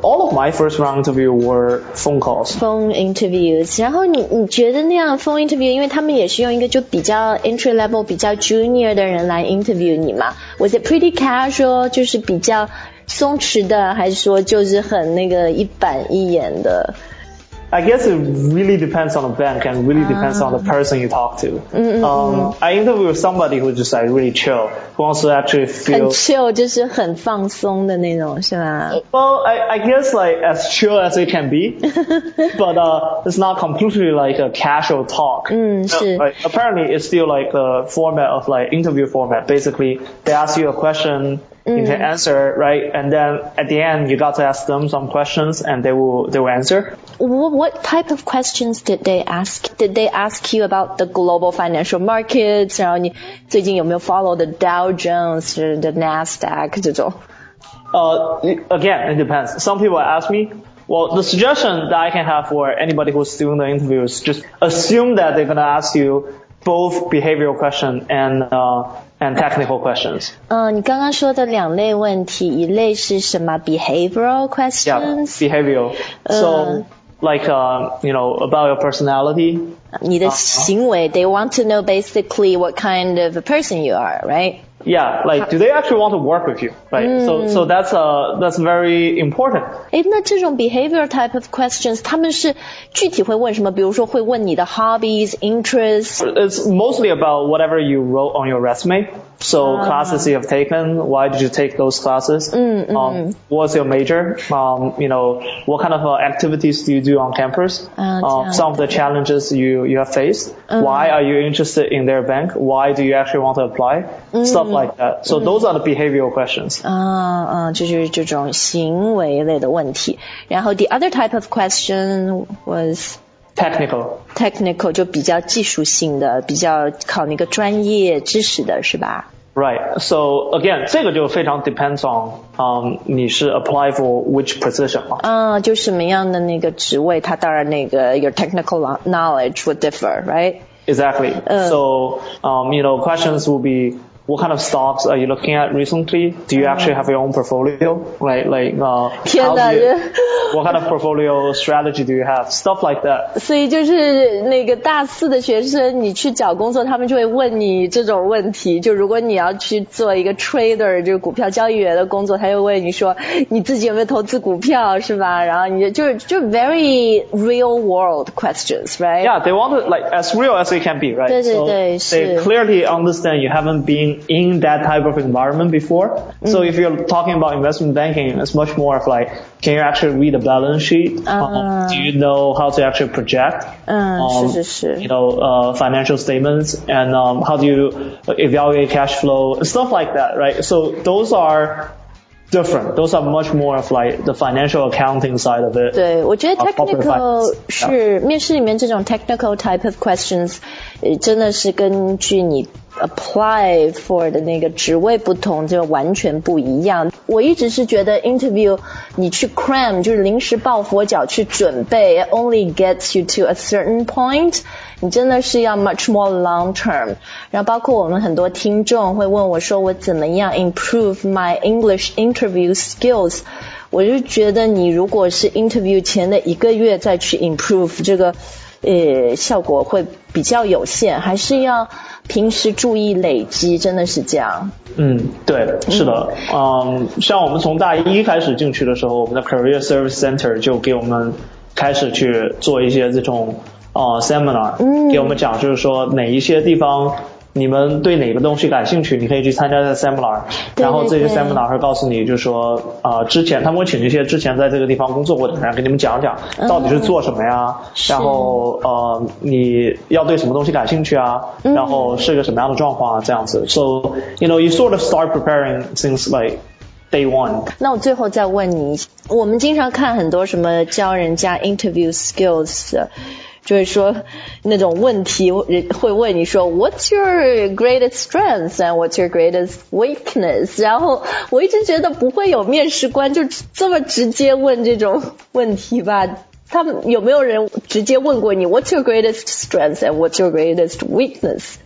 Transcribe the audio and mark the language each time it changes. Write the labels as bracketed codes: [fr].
[en] All of my first round interview were phone calls. Phone interviews. [zh] 然后你觉得那样 [en] phone interview, [zh] 因为他们也是用一个就比较 [en] entry level, [zh] 比较 junior 的人来 interview 你嘛。 [en] Was it pretty casual, [zh] 就是比较松弛的还是说就是很那个一板一眼的 [en] I guess it really depends on the bank and really depends on the person you talk to. I interview somebody who just like really chill. Wants to actually feel [zh] 很 chill 就是很放松的那种是吧 [en] Well, I guess like as chill as it can be But it's not completely like a casual talk [zh] 是 [en] no, like, Apparently it's still like a format of like interview format Basically they ask you a question You can answer, right? And then at the end you got to ask them some questions And they will answer What type of questions did they ask? Did they ask you about the global financial markets? [zh] 然后你最近有没有 [en] follow the DowDow Jones, the Nasdaq, [zh] 这种 [en] Again, it depends. Some people ask me, well, the suggestion that I can have for anybody who's doing the interview is just assume that they're going to ask you both behavioral question and technical questions. [zh] 你刚刚说的两类问题,一类是什么 [en] behavioral questions? Yeah, behavioral. So, like, you know, about your personality. [zh] 你的行为 [en] they want to know basically what kind of a person you are, right? Yeah, like, do they actually want to work with you, right? So that's very important. [zh] 那这种 [en] behavior type of questions, [zh] 他们是具体会问什么比如说会问你的 [en] hobbies, interests? It's mostly about whatever you wrote on your resume. So classes you have taken, why did you take those classes? What's your major? You know, what kind of activities do you do on campus? Some of the challenges you have faced. Why are you interested in their bank? Why do you actually want to apply? Stuff like that. So those are the behavioral questions. [zh] 就是这种行为类的问题。 [en] 然后 the other type of question was... Technical [zh] 就比较技术性的比较考那个专业知识的是吧 [en] Right, so again, [zh] 这个就非常 [en] depends on、 [zh] 你是 [en] apply for which position [zh] 就什么样的那个职位它当然那个 [en] your technical knowledge would differ, right? Exactly, so、you know, questions will beWhat kind of stocks are you looking at recently? Do you actually have your own portfolio? Right, like, what kind of portfolio strategy do you have? Stuff like that. [zh] 所以就是那个大四的学生，你去找工作，他们就会问你这种问题。就如果你要去做一个 trader， 就是股票交易员的工作，他就问你说你自己有没有投资股票，是吧？然后你就 [en] very real world questions, right? Yeah, they want to, like as real as it can be, right? [zh] 对对对， [en] so they clearly understand you haven't beenin that type of environment before. So if you're talking about investment banking, it's much more of like, can you actually read a balance sheet? Do you know how to actually project? [zh] 是。 [en] You know, financial statements, and how do you evaluate cash flow, stuff like that, right? So those are... different. Those are much more of like the financial accounting side of it. [zh] 对，我觉得 technical 是、面试里面这种 [en] technical type of questions， [zh] 真的是根据你 [en] apply for [zh] 的那个职位不同，就完全不一样。我一直是觉得 interview 你去 cram 就是临时抱佛脚去准备 ， [en] it only gets you to a certain point。 [zh] 你真的是要 [en] much more long term [zh] 然后包括我们很多听众会问我说我怎么样 [en] improve my English interview skills [zh] 我就觉得你如果是 interview 前的一个月再去 improve 这个效果会比较有限还是要平时注意累积真的是这样对是的像我们从大一开始进去的时候我们的 Career Service Center 就给我们开始去做一些这种seminar 给我们讲就是说哪一些地方你们对哪个东西感兴趣，你可以去参加这个 seminar， 然后这些 seminar 会告诉你，就是说之前他们会请一些之前在这个地方工作过的人给你们讲讲到底是做什么呀，然后你要对什么东西感兴趣啊，然后是个什么样的状况啊，这样子。 [en] So you know you sort of start preparing things likeDay one. [zh] 那我最后再问你，我们经常看很多什么教人家 interview skills， 就是说那种问题会问你说 [en] What's your greatest strength and what's your greatest weakness， [zh] 然后我一直觉得不会有面试官就这么直接问这种问题吧，他们有没有人直接问过你 What's your greatest strength and what's your greatest weakness？